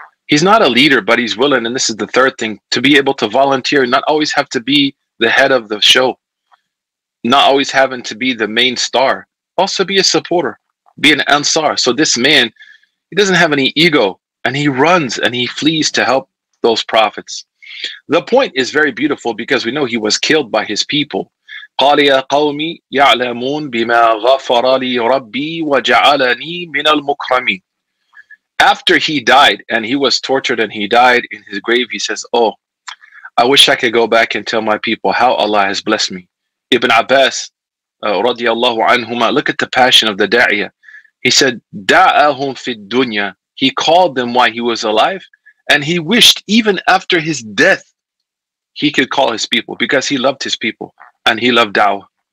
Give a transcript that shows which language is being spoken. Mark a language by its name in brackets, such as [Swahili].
[English] he's not a leader, but he's willing, and this is the third thing, to be able to volunteer, not always have to be the head of the show, not always having to be the main star, also be a supporter, be an ansar. So this man, he doesn't have any ego, and he runs and he flees to help those prophets. The point is very beautiful because we know he was killed by his people. [Arabic] قال يا قومي يعلمون بما غفر لي ربي وجعلني من المكرمين. [English] After he died and he was tortured and he died in his grave, he says, oh, I wish I could go back and tell my people how Allah has blessed me. Ibn Abbas, [Arabic] رضي الله عنهما, [English] look at the passion of the da'iyah. He said, da'ahum fi dunya. He called them while he was alive, and he wished even after his death, he could call his people because he loved his people and he loved da'wah.